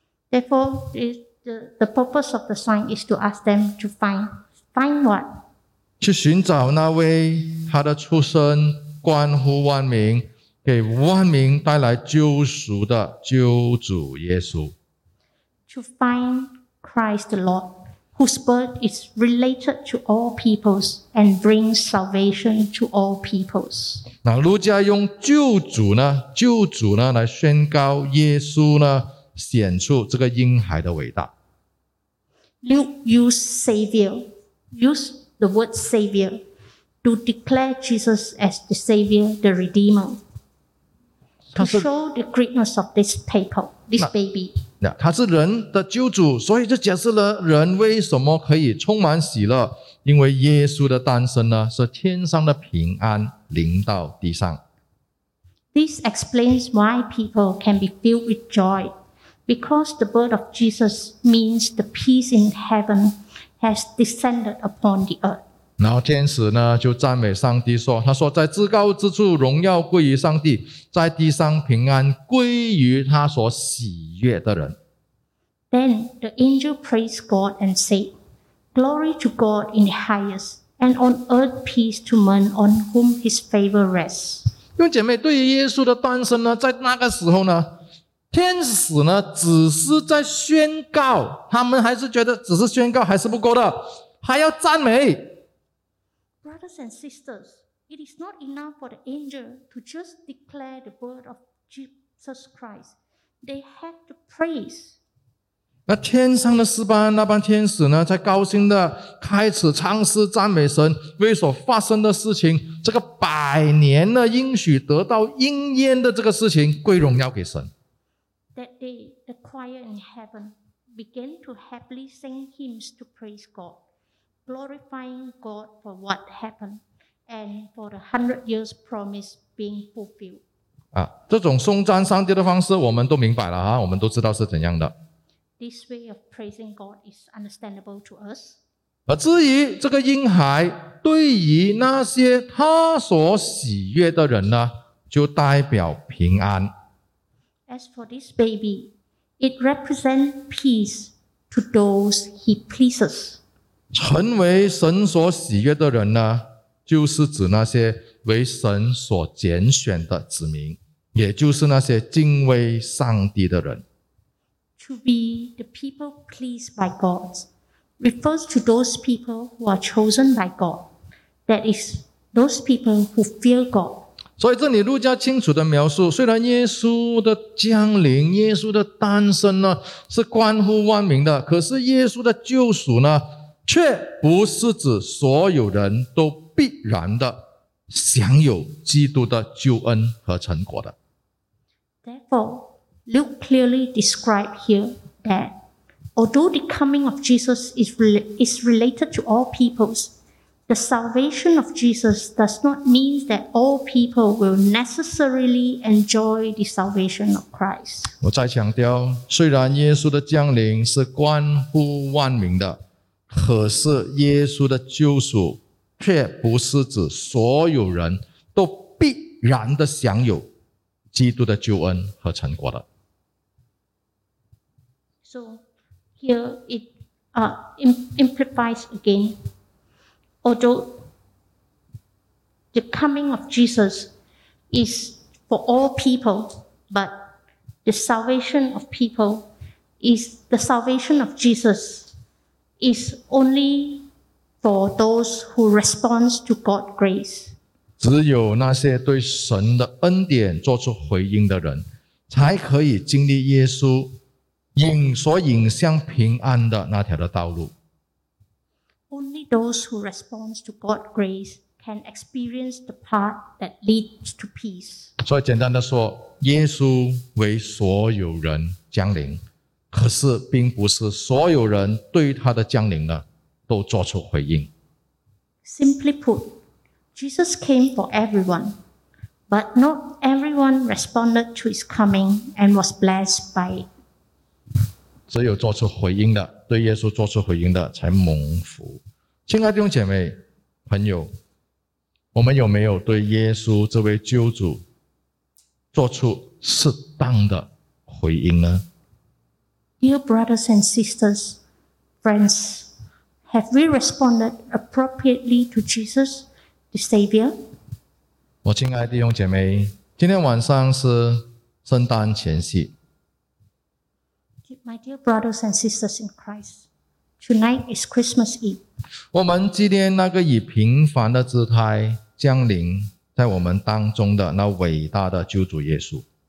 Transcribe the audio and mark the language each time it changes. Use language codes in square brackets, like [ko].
[en] Therefore, the purpose of the sign is to ask them to find what? [zh] 去寻找那位他的出生关乎万民，给万民带来救赎的救主耶稣。 [en] To find Christ the Lord, whose birth is related to all peoples and brings salvation to all peoples. [zh] 那路加用救主呢来宣告耶稣呢，显出这个婴孩的伟大。 [en] Luke used the word Savior to declare Jesus as the Savior, the Redeemer, to show the greatness of this baby. [zh] 他是人的救主，所以就解释了人为什么可以充满喜乐，因为耶稣的诞生呢，是天上的平安临到地上。 [en] This explains why people can be filled with joy, because the birth of Jesus means the peace in heaven has descended upon the earth. [zh] 然后天使呢就赞美上帝说，他说在至高之处荣耀归于上帝，在地上平安归于他所喜悦的人。 [en] Then the angel praised God and said, "Glory to God in the highest." And on earth peace to men on whom his favor rests. [zh] 用姐妹，对于耶稣的诞生呢，在那个时候呢，天使呢只是在宣告，他们还是觉得只是宣告还是不够的，还要赞美。 [en] Brothers and sisters, it is not enough for the angel to just declare the birth of Jesus Christ. They have to praise. [zh] 那天上的诗班那班天使呢，在高兴的开始唱诗赞美神为所发生的事情，这个百年的应许得到应验的这个事情，归荣耀给神。 [en] That day, the choir in heaven began to happily sing hymns to praise God, glorifying God for what happened and for the 100 years promise being fulfilled. [zh] 这种颂赞上帝的方式我们都明白了，我们都知道是怎样的。 [en] This way of praising God is understandable to us. [zh] 而至于这个婴孩对于那些他所喜悦的人呢，就代表平安。 [en] As for this baby, it represents peace to those he pleases. [zh] 成为神所喜悦的人呢，就是指那些为神所拣选的子民，也就是那些敬畏上帝的人。 [en] To be the people pleased by God refers to those people who are chosen by God. That is, those people who fear God. [zh] 所以这里路加清楚地描述，虽然耶稣的降临、耶稣的诞生呢是关乎万民的，可是耶稣的救赎呢，却不是指所有人都必然的享有基督的救恩和成果的。 [en] Therefore, Luke clearly described here that although the coming of Jesus is related to all peoples, the salvation of Jesus does not mean that all people will necessarily enjoy the salvation of Christ. [zh] 我再强调，虽然耶稣的降临是关乎万民的，可是耶稣的救赎却不是指所有人都必然的享有基督的救恩和成果的。 [en] So here it implies again, although the coming of Jesus is for all people, but the salvation of people is the salvation of Jesus is only for those who respond to God's grace. [zh] 只有那些对神的恩典做出回应的人，才可以经历耶稣所引向平安的那条的道路。 [en] Only those who respond to God's grace can experience the path that leads to peace. [zh] 所以简单的说，耶稣为所有人降临，可是并不是所有人对他的降临呢都做出回应。 [en] Simply put, Jesus came for everyone, but not everyone responded to his coming and was blessed by it. [zh] 只有做出回应的，对耶稣做出回应的才蒙福。亲爱的弟兄姐妹、朋友，我们有没有对耶稣这位救主做出适当的回应呢？ [en] Dear brothers and sisters, friends,Have we responded appropriately to Jesus, the Savior? [zh] 我亲爱的弟兄姐妹，今天晚上是圣诞前夕。 [en] My dear brothers and sisters in Christ, tonight is Christmas Eve. [zh] 我们纪念那个以平凡的姿态降临在我们当中的那伟大的救主耶稣。